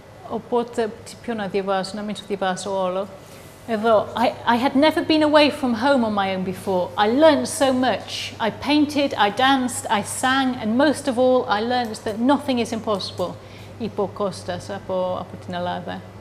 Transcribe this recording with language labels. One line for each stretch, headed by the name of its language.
Greek: Οπότε, τι πιο να διαβάζω, να μην το διαβάσω όλο.
English: Εδώ, I had never been away from home on my own before. I learned so much. I painted, I danced, I sang, and most of all, I learned that nothing is impossible.
Greek: Είπε ο Κώστας από την Ελλάδα.